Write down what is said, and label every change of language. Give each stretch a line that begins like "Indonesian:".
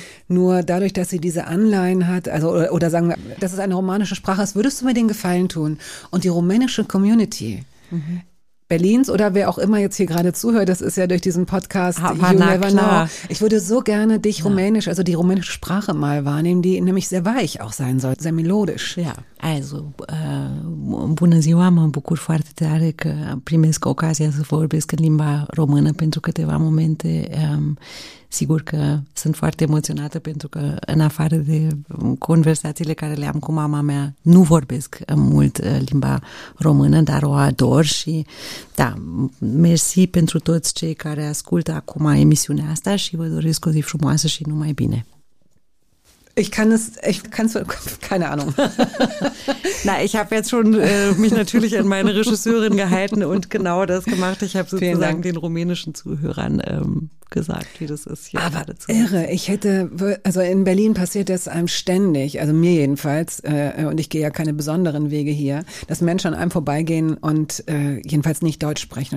German: Nur dadurch, dass sie diese Anleihen hat, also oder sagen wir, dass es eine romanische Sprache ist, würdest du mir den Gefallen tun? Und die rumänische Community, Berlins oder wer auch immer jetzt hier gerade zuhört, das ist ja durch diesen Podcast Aber
English: You Never Know.
German: Ich würde so gerne dich rumänisch, also die rumänische Sprache mal wahrnehmen, die nämlich sehr weich auch sein soll, sehr melodisch.
Romanian: Ja, also bună ziua, mă bucur foarte tare că primesc ocazia să vorbesc în limba română pentru câteva momente. Sigur că sunt foarte emoționată pentru că în afară de conversațiile care le am cu mama mea, nu vorbesc mult limba română, dar o ador și da, mersi pentru toți cei care ascultă acum emisiunea asta și vă doresc o zi frumoasă și numai bine.
German: Ich kann es, keine Ahnung. Na, ich habe jetzt schon mich natürlich an meine Regisseurin gehalten und genau das gemacht. Ich habe sozusagen den rumänischen Zuhörern gesagt, wie das ist. Hier aber irre, ich hätte, also in Berlin passiert das einem ständig, also mir jedenfalls, und ich gehe ja keine besonderen Wege hier, dass Menschen an einem vorbeigehen und jedenfalls nicht Deutsch sprechen.